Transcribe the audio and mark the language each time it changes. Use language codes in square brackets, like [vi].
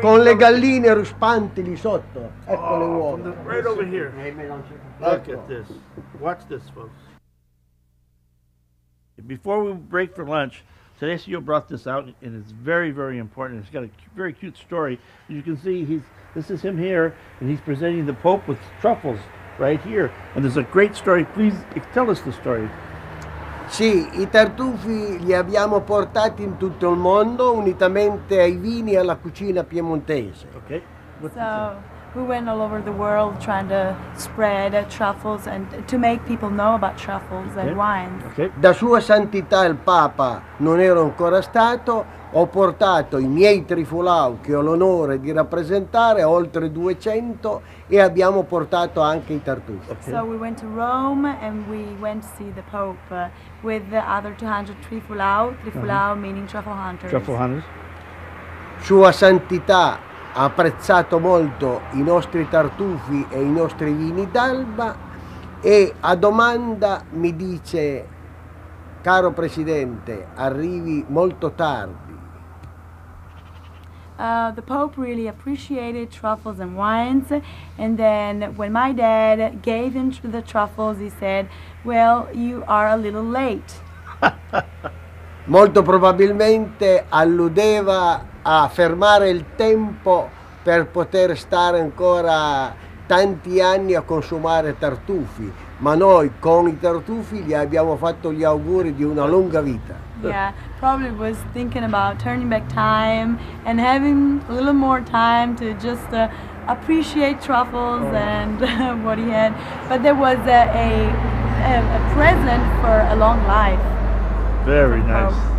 [it] con [en] lovely. [it] Le galline ruspanti lì sotto. Ecco le uova. [en] From the, right over here. Look at this. Watch this, folks. Before we break for lunch, Tedesio brought this out, and it's very, very important. It's got a very cute story. As you can see, this is him here, and he's presenting the Pope with truffles right here. And there's a great story. Please tell us the story. [it] Sì, i tartufi li abbiamo portati in tutto il mondo unitamente ai vini e alla cucina piemontese. [en] Okay. So, we went all over the world trying to spread truffles and to make people know about truffles and wine. Okay. [it] Da sua santità il Papa non ero ancora stato, ho portato i miei trifolau che ho l'onore di rappresentare, oltre 200, e abbiamo portato anche i tartufi. [en] Okay. So we went to Rome and we went to see the Pope with the other 200 trifolau, uh-huh. meaning truffle hunters. Truffle hunters. [it] Sua santità ha apprezzato molto i nostri tartufi e i nostri vini d'Alba e a domanda mi dice, caro Presidente, arrivi molto tardi. [en] The Pope really appreciated truffles and wines, and then when my dad gave him the truffles, he said, well, you are a little late. [it] Molto probabilmente alludeva a fermare il tempo per poter stare ancora tanti anni a consumare tartufi, ma noi con i tartufi gli abbiamo fatto gli auguri di una lunga vita. [en] Yeah, probably was thinking about turning back time and having a little more time to just appreciate truffles and what he had, but there was a present for a long life. Very nice.